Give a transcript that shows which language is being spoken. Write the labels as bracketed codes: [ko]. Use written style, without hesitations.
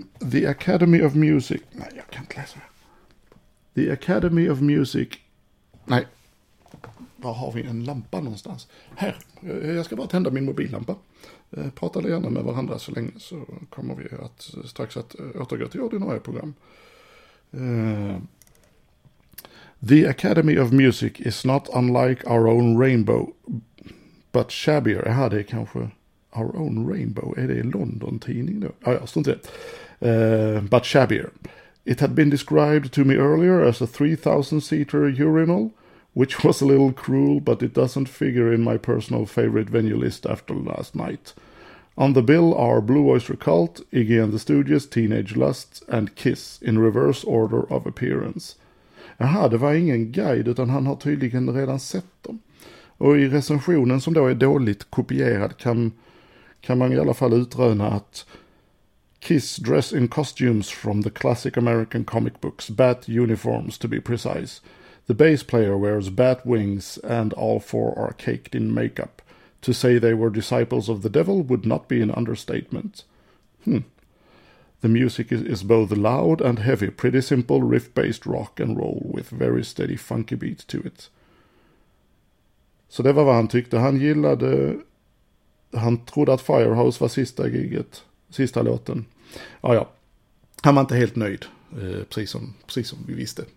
[en] The Academy of Music. [sv] Nej, jag kan inte läsa det. [en] The Academy of Music. Nej. [sv] Var har vi en lampa någonstans? Här. Jag ska bara tända min mobillampa. Prata gärna med varandra så länge så kommer vi att strax att återgå till ordinarie program. [en] The Academy of Music is not unlike our own rainbow, but shabbier. [sv] Ja, det är kanske [en] our own rainbow. [sv] Är det London-tidning då? Ja, stod inte det. [en] But shabbier. It had been described to me earlier as a 3,000-seater urinal which was a little cruel, but it doesn't figure in my personal favorite venue list after last night. On the bill are Blue Oyster Cult, Iggy and the Stooges, Teenage Lust and Kiss, in reverse order of appearance. [sv] Jaha, det var ingen guide utan han har tydligen redan sett dem. Och i recensionen som då är dåligt kopierad kan man i alla fall utröna att [en] Kiss dress in costumes from the classic American comic books, bat uniforms to be precise. The bass player wears bat wings and all four are caked in makeup. To say they were disciples of the devil would not be an understatement. The music is both loud and heavy, pretty simple riff-based rock and roll with very steady funky beat to it. [sv] Så det var vad han tyckte. Han gillade, han trodde att Firehouse var sista giget, sista låten. Ja, ja. Han var inte helt nöjd, precis som vi visste.